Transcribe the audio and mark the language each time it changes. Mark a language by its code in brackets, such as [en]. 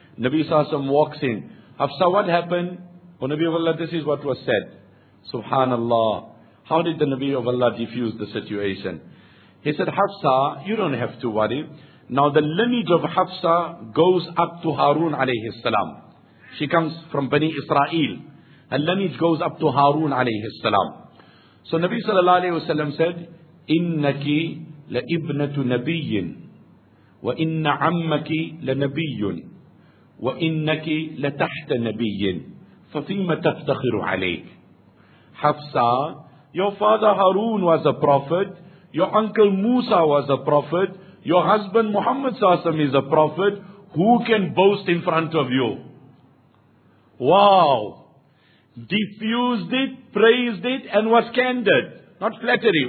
[en] Nabi Sassam walks in. Hafsa, what happened? O Nabi of Allah, this is what was said. Subhanallah. How did the Nabi of Allah defuse the situation? He said, Hafsa, you don't have to worry. Now the lineage of Hafsa goes up to Harun alayhi salam. She comes from Bani Israel. Her lineage goes up to Harun alayhi salam. So Nabi sallallahu alayhi wa sallam said, [ar] إِنَّكِ لَإِبْنَةُ نَبِيٍّ وَإِنَّ عَمَّكِ لَنَبِيٌّ وَإِنَّكِ لَتَحْتَ نَبِيٍّ فَفِيمَ تَفْتَخِرُ عَلَيْكِ. [en] Hafsa, your father Harun was a prophet. Your uncle Musa was a prophet. Your husband Muhammad Sassam is a prophet. Who can boast in front of you? Wow! Diffused it, praised it, and was candid. Not flattery.